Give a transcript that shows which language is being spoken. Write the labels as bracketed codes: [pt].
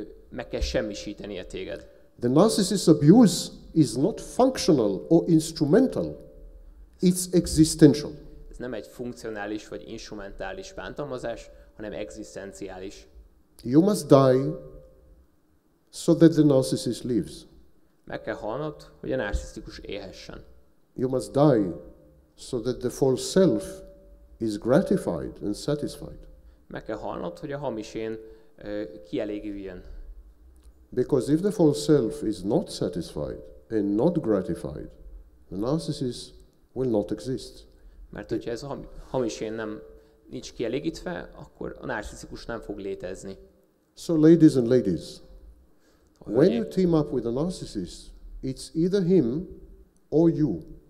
[hu] Meg kell semmisítenie téged. [en] The narcissist's abuse is not functional or instrumental, it's existential. [hu] Ez nem egy funkcionális vagy instrumentális bántalmazás, hanem egzisztenciális. [en] You must die so that the narcissist lives. [hu] Meg kell halnod, hogy a narcisztikus éhessen. [en] You must die so that the false self is gratified and satisfied. [hu] Meg kell halnod, hogy a hamis én kielégüljön. [en] Because if the false self is not satisfied and not gratified, the narcissist will not exist. [hu] Mert hogyha ez a hamis én nem nincs kielégítve, akkor a narcisztikus nem fog létezni. [en] So ladies and ladies, when you team up with a narcissist, it's either him or you.